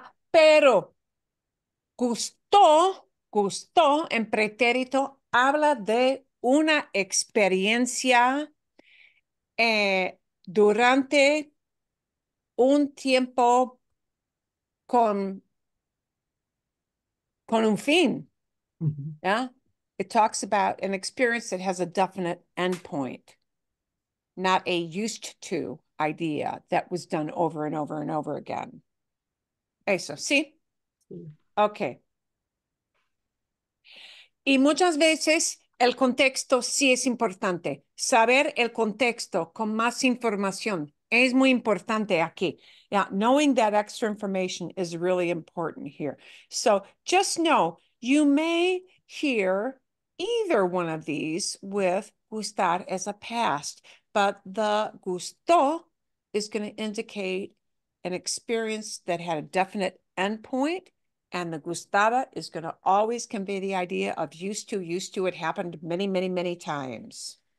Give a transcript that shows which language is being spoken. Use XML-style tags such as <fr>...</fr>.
<es>Pero gustó en pretérito, habla de una experiencia durante un tiempo con un fin,</es> <en>yeah? It talks about an experience that has a definite endpoint, not a used to idea that was done over and over and over again.</en> <es>Eso, sí?</es> <en>Okay.</en> <es>Y muchas veces el contexto sí es importante. Saber el contexto con más información es muy importante aquí.</es> <en>Yeah, knowing that extra information is really important here. So just know, you may hear either one of these with gustar as a past, but the gusto is going to indicate an experience that had a definite endpoint, and the gustaba is going to always convey the idea of used to, it happened many, many, many times.</en>